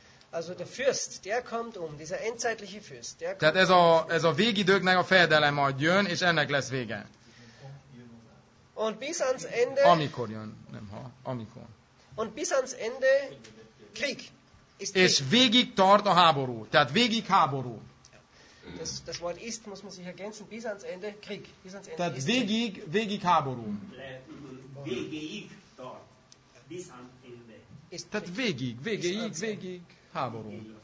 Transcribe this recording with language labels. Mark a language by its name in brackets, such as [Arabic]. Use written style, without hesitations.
[German] Also der Fürst, der kommt um, dieser endzeitliche Fürst, der kommt. [Hungarian] Tehát ez a végidőknek a fejedelem majd jön, és ennek lesz vége. [German] Und bis ans Ende. [Hungarian] Amikor jön, nem ha, amikor. [German] Und bis ans Ende Krieg. [Hungarian] És végig tart a háború. Tehát végig háború. [German] Das Wort ist, muss man sich ergänzen, bis ans Ende Krieg. Bis ans Ende. [Hungarian] Tehát végig, végig háború. Végig tart. [German] Bis ans Ende. [Hungarian] Tehát végig, végéig, végig háború.